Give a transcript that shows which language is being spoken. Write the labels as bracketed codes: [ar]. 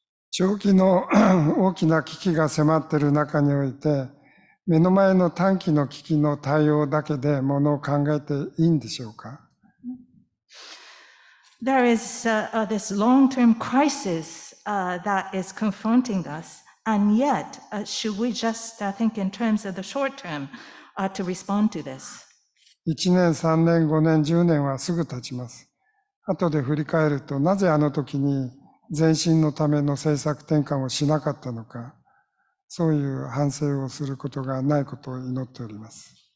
[ja] 長期の大きな危機が迫っている中において、目の前の短期の危機の対応だけでものを考えていいんでしょうか? [en] There is this long-term crisis that is confronting us, and yet, should we just think in terms of the short term to respond to this? [ja] 1年、3年、5年、10年はすぐ経ちます。後で振り返ると、なぜあの時に前進のための政策転換をしなかったのか、そういう反省をすることがないことを祈っております。